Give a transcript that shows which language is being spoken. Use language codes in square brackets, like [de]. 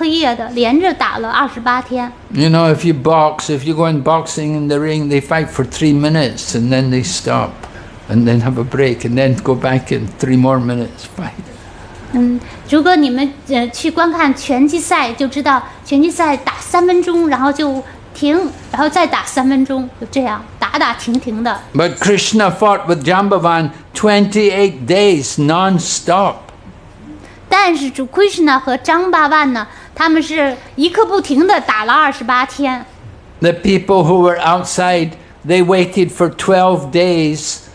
[zh] 就像这样连着白天和夜的连着打了28天。 [en] You know, if you box, if you go in boxing in the ring, they fight for 3 minutes and then they stop and then have a break and then go back in 3 more minutes fight. [zh] 如果你们去观看拳击赛，就知道拳击赛打3分钟，然后就停，然后再打3分钟，就这样打打停停的。 [en] But Krishna fought with Jambavan 28 days non-stop. [zh] 但是主 Krishna 和张巴万呢，他们是一刻不停的打了28天。 [en] The people who were outside, they waited for 12 days.